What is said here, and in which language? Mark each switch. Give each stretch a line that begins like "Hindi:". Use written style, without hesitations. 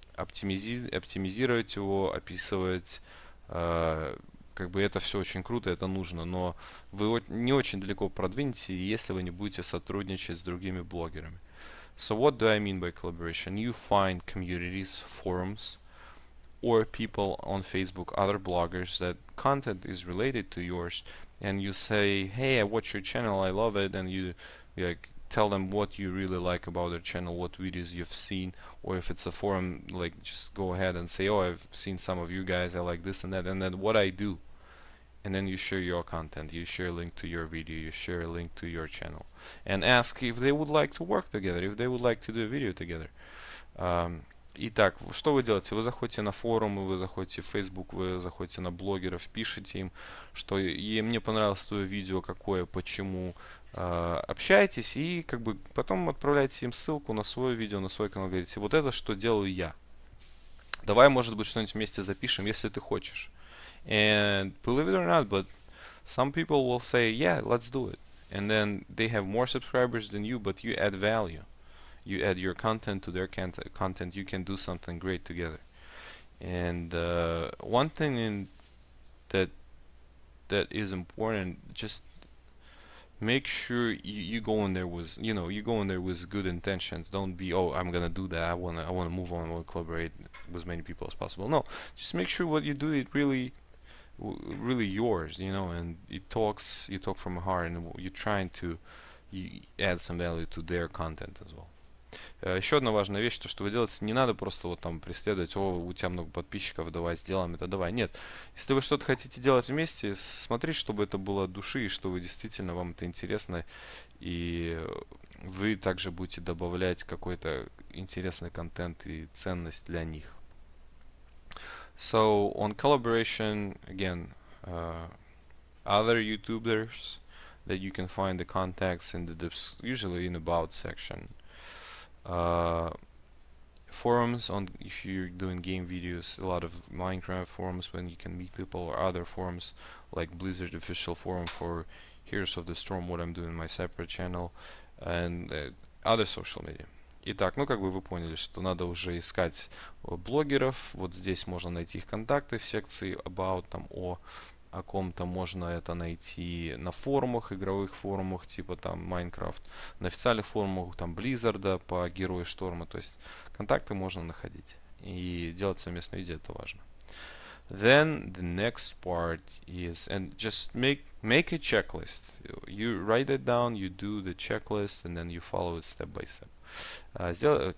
Russian: оптимизировать его, описывать. Как бы это все очень круто, это нужно, но вы не очень далеко продвинетесь, если вы не будете сотрудничать с другими блогерами.
English: So what do I mean by collaboration? You find communities, forums, or people on Facebook, other bloggers that content is related to yours, and you say, hey, I watch your channel, I love it, and you like tell them what you really like about their channel, what videos you've seen, or if it's a forum, like just go ahead and say, oh, I've seen some of you guys, I like this and that, and then what I do. And then you share your content, you share a link to your video, you share a link to your channel, and ask if they would like to work together, if they would like to do a video together.
Russian: Итак, что вы делаете? Вы заходите на форумы, вы заходите в Facebook, вы заходите на блогеров, пишете им, что мне понравилось твое видео, какое, почему. Общаетесь и как бы потом отправляете им ссылку на свое видео, на свой канал, говорите, вот это что делаю я. Давай, может быть, что-нибудь вместе запишем, если ты хочешь.
English: And believe it or not, but some people will say, yeah, let's do it. And then they have more subscribers than you, but you add value. You add your content to their content, you can do something great together. And one thing that is important, just make sure you go in there with, you know, you go in there with good intentions. Don't be, oh, I'm gonna do that, I wanna move on, I wanna collaborate with as many people as possible. No, just make sure what you do, it really, really yours, you know, and you talk from the heart, and you're trying to add some value to their content as well.
Russian: Еще одна важная вещь, то, что вы делаете, не надо просто вот там преследовать, о, у тебя много подписчиков, давай сделаем это, давай. Нет, если вы что-то хотите делать вместе, смотрите, чтобы это было от души, и что вы действительно, вам это интересно, и вы также будете добавлять какой-то интересный контент и ценность для них.
English: So, on collaboration, again, other YouTubers that you can find the contacts in the usually in about section. Forums on, if you're doing game videos, a lot of Minecraft forums when you can meet people, or other forums like Blizzard official forum for Heroes of the Storm, what I'm doing my separate channel, and other social media.
Russian: Итак, ну как бы вы поняли, что надо уже искать блогеров, вот здесь можно найти их контакты в секции about, там о ком-то можно это найти на форумах, игровых форумах, типа там Minecraft, на официальных форумах там Blizzard'а по Герои Шторма, то есть контакты можно находить. И делать совместные видео, это важно.
English: Then the next part is, and just make a checklist. You write it down, you do the checklist, and then you follow it step by step.